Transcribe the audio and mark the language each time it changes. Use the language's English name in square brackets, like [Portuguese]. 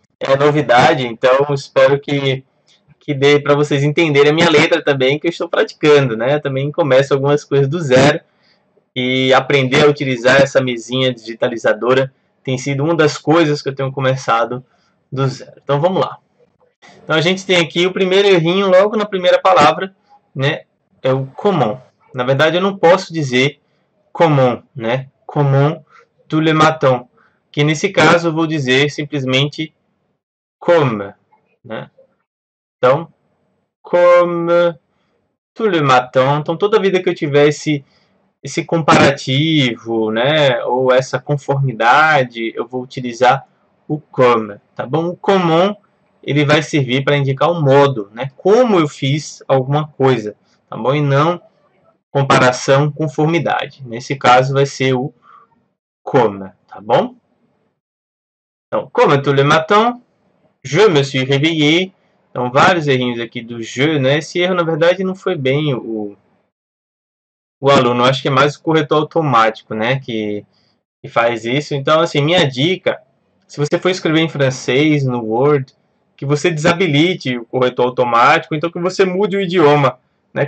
[Portuguese] É novidade, então espero que dê para vocês entenderem a minha letra também, que eu estou praticando, né? Eu também começo algumas coisas do zero e aprender a utilizar essa mesinha digitalizadora tem sido uma das coisas que eu tenho começado do zero. Então vamos lá. Então a gente tem aqui o primeiro errinho logo na primeira palavra, né? É o comment. Na verdade eu não posso dizer comment, né? [French] Comment tous les matins. [Portuguese] Que nesse caso eu vou dizer simplesmente comme, né? [French] Então, comme tous les matins. [Portuguese] Então, toda vida que eu tiver esse comparativo, né, ou essa conformidade, eu vou utilizar o comme, tá bom? O comment, ele vai servir para indicar o modo, né, como eu fiz alguma coisa, tá bom? E não comparação, conformidade. Nesse caso, vai ser o comme, tá bom? [French] Então, comme tous les matins, je me suis réveillé. [Portuguese] Então, vários errinhos aqui do je, né? Esse erro, na verdade, não foi bem o aluno. Eu acho que é mais o corretor automático, né? Que faz isso. Então, assim, minha dica, se você for escrever em francês, no Word, que você desabilite o corretor automático, então que você mude o idioma, né?